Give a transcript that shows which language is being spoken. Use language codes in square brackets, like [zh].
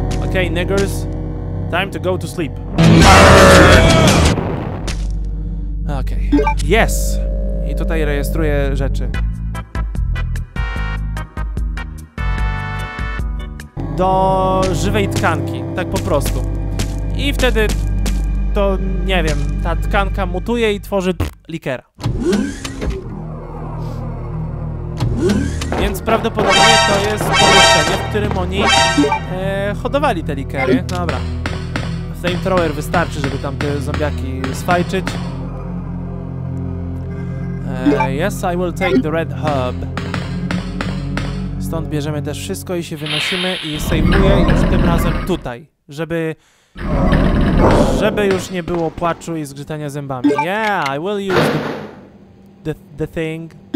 [en] Okay, niggers, time to go to sleep. Okay. Yes! [pl] I tutaj rejestruję rzeczy. Do żywej tkanki, tak po prostu. I wtedy to, nie wiem, ta tkanka mutuje i tworzy likera. Więc prawdopodobnie to jest pomieszczenie, w którym oni hodowali te likery. Dobra. Flamethrower wystarczy, żeby tam te zombiaki sfajczyć. [en] Yes, I will take the red herb. [pl] Stąd bierzemy też wszystko i się wynosimy i sejmuję już tym razem tutaj, żeby już nie było płaczu i zgrzytania zębami. [en] Yeah, I will use the thing.